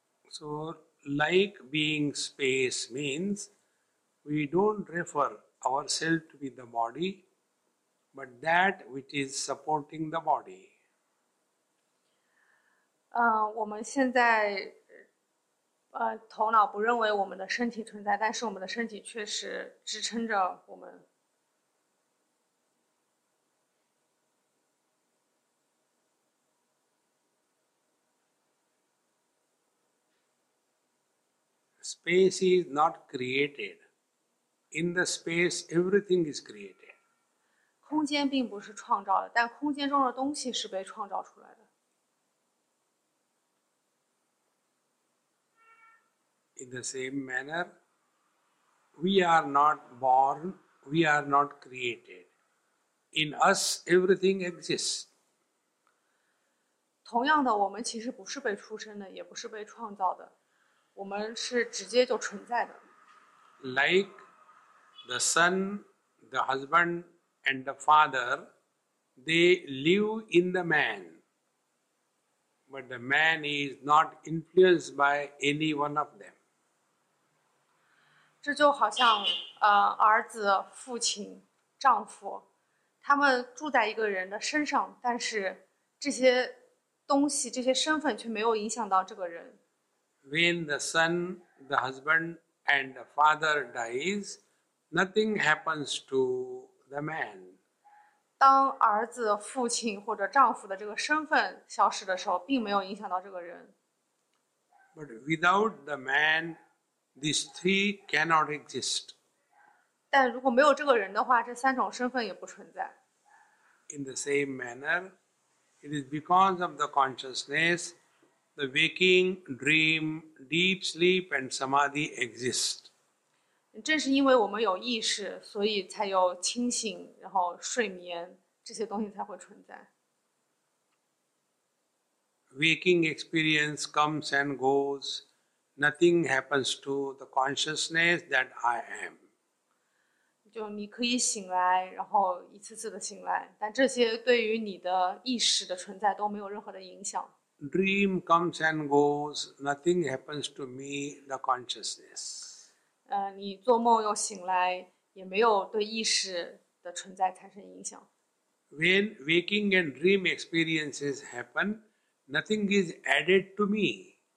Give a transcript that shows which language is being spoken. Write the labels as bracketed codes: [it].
[en] So, like being space means we don't refer ourselves to be the body, but that which is supporting the body. [zh] 我们现在头脑不认为我们的身体存在，但是我们的身体确实支撑着我们。 [en] space is not created. In the space, everything is created. [zh] 空间并不是创造的, 但空间中的东西是被创造出来的。 [en] In the same manner, we are not born, we are not created. In us, everything exists. [zh] 同样的, 我们其实不是被出生的, 也不是被创造的, 我们是直接就存在的。 [en] Like the son, the husband, and the father, they live in the man. But the man is not influenced by any one of them. [zh] 这就好像, 儿子, 父亲, 丈夫, 他们住在一个人的身上, 但是这些东西, 这些身份却没有影响到这个人。 [en] When the son, the husband, and the father dies, nothing happens to the man. [zh] 当儿子, 父亲, 或者丈夫的这个身份消失的时候, 并没有影响到这个人。 [en] But without the man, these three cannot exist. [zh] 但如果没有这个人的话, 这三种身份也不存在。 [en] In the same manner, it is because of the consciousness, the waking, dream, deep sleep and samadhi exist. [zh] 正是因为我们有意识, 所以才有清醒, 然后睡眠, 这些东西才会存在。 [en] Waking experience comes and goes. Nothing happens to the consciousness that I am. [zh] 就你可以醒来, 然后一次次的醒来, 但这些对于你的意识的存在都没有任何的影响。 [en] Dream comes and goes, nothing happens to me, the consciousness. [zh] 你做梦又醒来, 也没有对意识的存在产生影响。 [en] When waking and dream experiences happen, nothing is added to me.